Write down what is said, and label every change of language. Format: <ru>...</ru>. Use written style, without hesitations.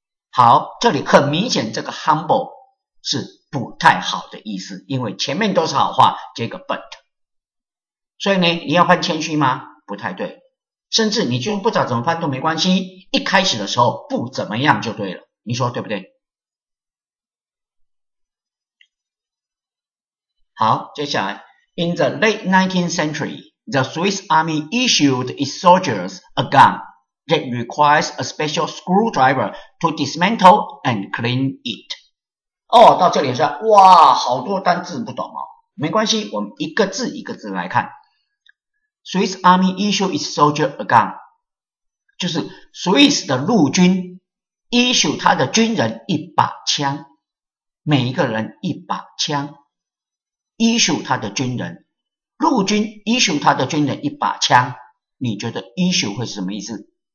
<zh>好，这里很明显这个 humble 是不太好的意思，因为前面都是好话，接个 but。所以呢，你要判谦虚吗？不太对，甚至你就算不知道怎么判都没关系，一开始的时候不怎么样就对了，你说对不对？好，接下来，</zh> <en>In the late 19th century, the Swiss Army issued its soldiers a gun that requires a special screwdriver to dismantle and clean it。</en> <zh>哦，到这里是，哇，好多单字不懂哦，没关系，我们一个字一个字来看。</zh> <en>Swiss Army issued its soldier a gun，</en> <zh>就是 Swiss 的陆军 issue 他的军人一把枪，每一个人一把枪，issue 他的军人，陆军 issue 他的军人一把枪，你觉得 issue 会是什么意思？</zh>